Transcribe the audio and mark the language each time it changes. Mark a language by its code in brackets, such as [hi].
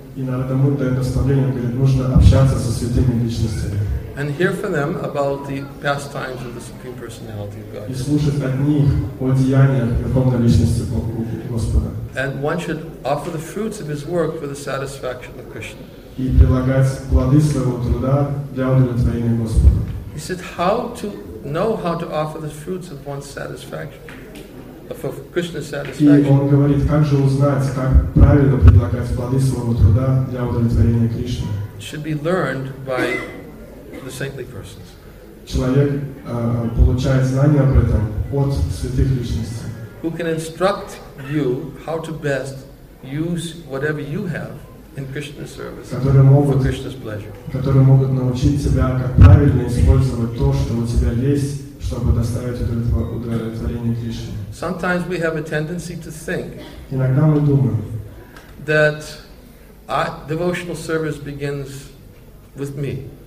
[ru] И Нарада Муни дает наставление, говорит, нужно общаться со святыми личностями. [en] And hear from them about the pastimes of the Supreme Personality of God. [ru] И слушать от них о деяниях Верховной Личности Господа. [en] And one should offer the fruits of his work for the satisfaction of Krishna. [ru] И прилагать плоды своего труда для удовлетворения Господа. [en] He said, how to know how to offer the fruits of one's satisfaction, for Krishna's satisfaction. [ru] И он говорит, как же узнать, как правильно предлагать плоды своего труда для удовлетворения Кришны. [en] It should be learned by the saintly persons. [ru] Человек получает знания об этом от святых личностей. [en] Who can instruct you how to best use whatever you have in Krishna's service for Krishna's pleasure. [ru] Которые могут научить тебя, как правильно использовать то, что у тебя есть, чтобы доставить удовлетворение Кришне. [en] Sometimes we have a tendency to think [ru] иногда мы думаем [en] that devotional service begins with me.